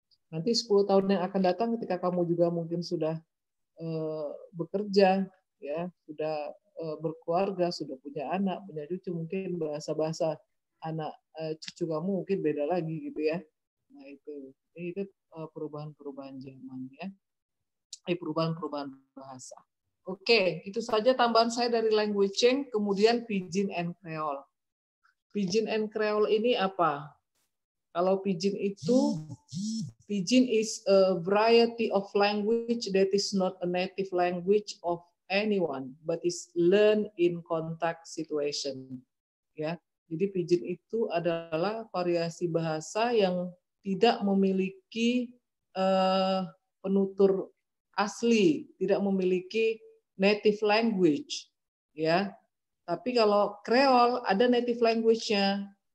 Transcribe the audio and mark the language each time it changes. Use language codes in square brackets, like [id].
[id] Nanti 10 tahun yang akan datang ketika kamu juga mungkin sudah bekerja ya, sudah berkeluarga, sudah punya anak, punya cucu, mungkin bahasa-bahasa anak cucu kamu mungkin beda lagi gitu ya. Nah, itu perubahan-perubahan zaman ya. Perubahan-perubahan bahasa. Oke, itu saja tambahan saya dari languaging, kemudian Pidgin and Creole. Pidgin and Creole ini apa? Kalau Pidgin itu, [en] Pidgin is a variety of language that is not a native language of anyone, but is learned in contact situation. [id] Ya, jadi Pidgin itu adalah variasi bahasa yang tidak memiliki penutur asli, tidak memiliki native language. Ya, tapi kalau Creole ada native language-nya.